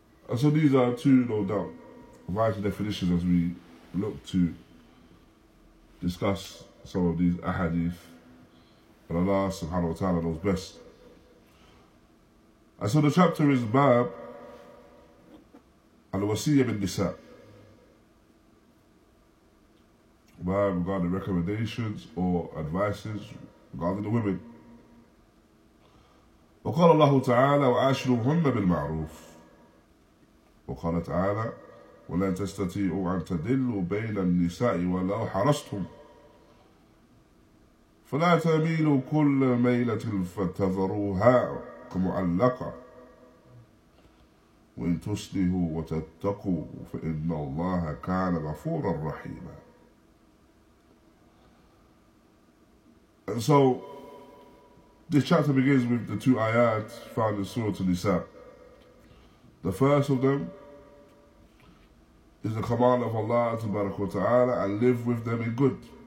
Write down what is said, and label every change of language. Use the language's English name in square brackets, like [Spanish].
[English] And so these are two, no doubt, vital definitions as we look to discuss some of these ahadith, and Allah subhanahu wa ta'ala knows best. And so the chapter is Bab al-Wasiyya bin Nisa. Bab regarding recommendations or advices regarding the women. [Arabic] وقال الله تعالى وعاشروهن بالمعروف وقال تعالى ولا تستطيعوا أن تدلوا بين النساء ولو حرصتم فلا تميلوا كل ميلة فتذروها كمعلقة وإن تصلحوا وتتقوا فإن الله كان غفورا رحيما. [English] And so this chapter begins with the two ayat found in Surah An-Nisa. The first of them is the command of Allah tabarak wa ta'ala, and live with them in good.